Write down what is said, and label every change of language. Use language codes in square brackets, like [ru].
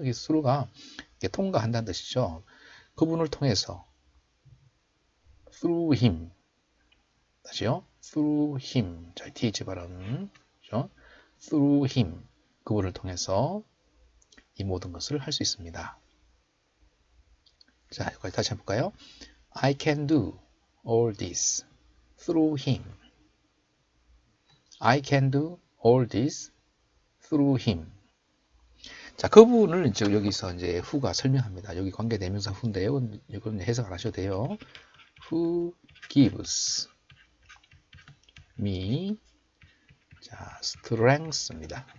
[ko] 이게 스루가 이게 통과한다는 뜻이죠. 그분을 통해서 [en] through him [ko] 다시요 through him 자, TH 발음 그렇죠? [en] through him [ko] 그분을 통해서 이 모든 것을 할수 있습니다. 자, 여기까지 다시 해볼까요? [en] I can do all this through him. I can do all this through him. [ko] 자, 그분을 지금 여기서 이제 who가 설명합니다. 여기 관계대명사 who인데요. 이건 해석 안 하셔도 돼요. [en] Who gives me 자, strength입니다.